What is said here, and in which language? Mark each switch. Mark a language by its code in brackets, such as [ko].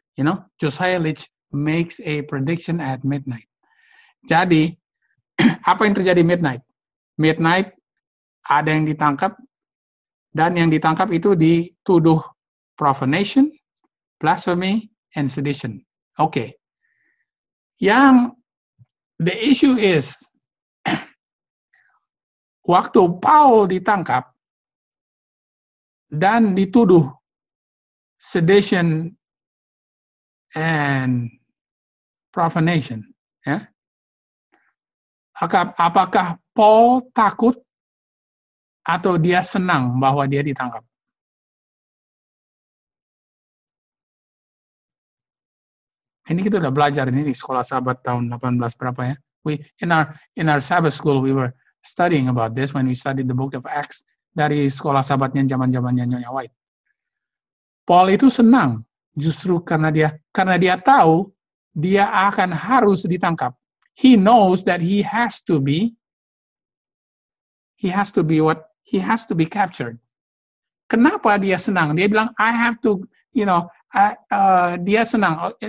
[en] You know, Josiah Litch makes a prediction at midnight. [id] Jadi, apa yang terjadi midnight? Midnight, ada yang ditangkap, dan yang ditangkap itu dituduh [en] profanation, blasphemy, and sedition. [id] Okay. Yang, [en] the issue is, [id] waktu Paul ditangkap, dan dituduh [en] sedition and profanation, [id] ya. Yeah? Apakah Paul takut atau dia senang bahwa dia ditangkap? Ini kita udah belajar ini di sekolah Sabat tahun 18 berapa ya? [en] In our Sabbath school we were studying about this when we studied the book of Acts [id] dari sekolah Sabatnya zaman-zamannya Nyonya White. Paul itu senang justru karena dia tahu dia akan harus ditangkap. [en] He knows that he has to be captured. [id] Kenapa dia senang? Dia bilang, [en] I have to, you know, [id] dia senang.